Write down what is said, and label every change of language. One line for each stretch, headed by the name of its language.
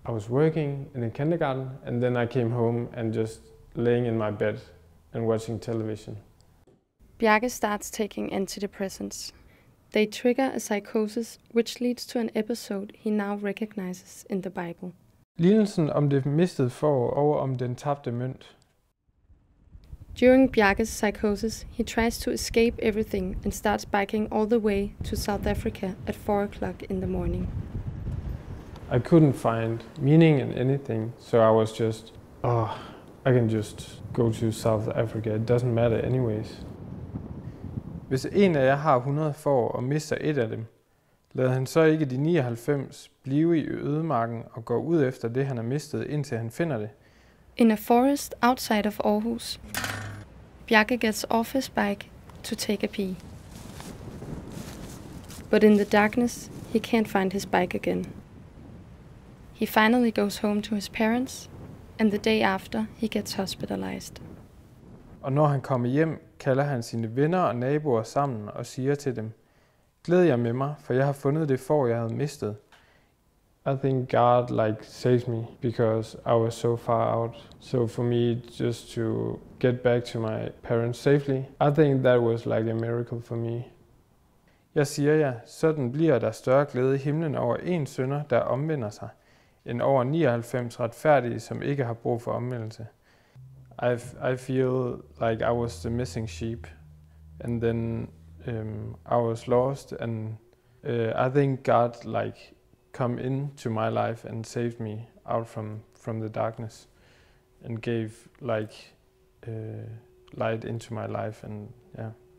English: I was working in a kindergarten, and then I came home and just laying in my bed and watching television. Bjarke starts taking antidepressants. They trigger a psychosis, which leads to an episode he now recognizes in the Bible.
Danish: Lignelsen om det mistede får over om den tabte mønt.
English: During Bjarke's psychosis, he tries to escape everything and starts biking all the way to South Africa at 4 o'clock in the morning. I couldn't find meaning in anything, so I was just, oh, I can just go to South Africa, it doesn't matter anyways.
Danish: Hvis en af jer har 100 får og mister et af dem, lader han så ikke de 99 blive i ødemarken og gå ud efter det, han har mistet, indtil han finder det?
English: In a forest outside of Aarhus, Bjarke gets off his bike to take a pee. But in the darkness, he can't find his bike again. He finally goes home to his parents, and the day after, he gets hospitalized.
Danish: Og når han kommer hjem, kalder han sine venner og naboer sammen og siger til dem, glæd jer med mig, for jeg har fundet det får, jeg havde mistet.
English: I think God like saves me because I was so far out. So for me just to get back to my parents safely, I think that was like a miracle for me.
Danish: Jeg siger jer, sådan bliver der større glæde i himlen over en synder, der omvender sig, end over 99 retfærdige, som ikke har brug for omvendelse.
English: I feel like I was the missing sheep, and then I was lost, and I think God like come into my life and saved me out from the darkness, and gave like light into my life, and yeah.